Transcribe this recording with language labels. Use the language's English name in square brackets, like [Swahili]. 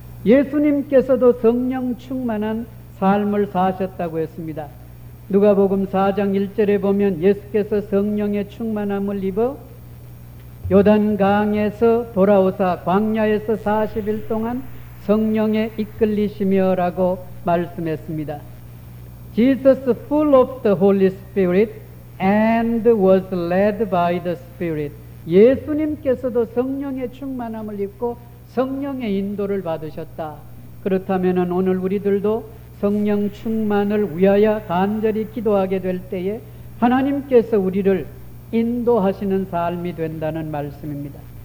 [Korean] 예수님께서도 성령 충만한 삶을 사셨다고 했습니다. 누가복음 4장 1절에 보면 예수께서 성령의 충만함을 입어 요단강에서 돌아오사 광야에서 40일 동안 성령에 이끌리시며라고 말씀했습니다. [English] Jesus full of the Holy Spirit and was led by the Spirit. [Korean] 예수님께서도 성령의 충만함을 입고 성령의 인도를 받으셨다. 그렇다면 오늘 우리들도 성령 충만을 위하여 간절히 기도하게 될 때에 하나님께서 우리를 인도하시는 삶이 된다는 말씀입니다.